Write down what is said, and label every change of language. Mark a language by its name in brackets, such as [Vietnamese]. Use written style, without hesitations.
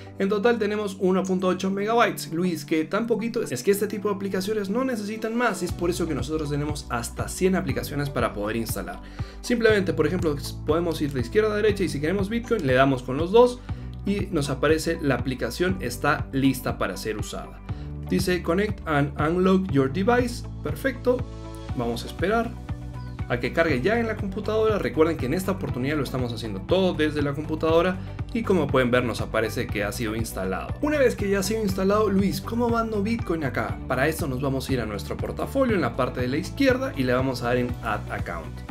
[Spanish] En total, tenemos 1.8 megabytes. Luis, que tan poquito es que este tipo de aplicaciones no necesitan más. Y es por eso que nosotros tenemos hasta 100 aplicaciones para poder instalar. Simplemente, por ejemplo, podemos ir de izquierda a derecha y si queremos Bitcoin, le damos con los dos. Y nos aparece la aplicación está lista para ser usada. [English] Dice connect and unlock your device. [Spanish] Perfecto. Vamos a esperar a que cargue ya en la computadora. Recuerden que en esta oportunidad lo estamos haciendo todo desde la computadora. Y como pueden ver, nos aparece que ha sido instalado. Una vez que ya ha sido instalado, Luis, ¿cómo va andando Bitcoin acá? Para esto nos vamos a ir a nuestro portafolio en la parte de la izquierda y le vamos a dar en add account.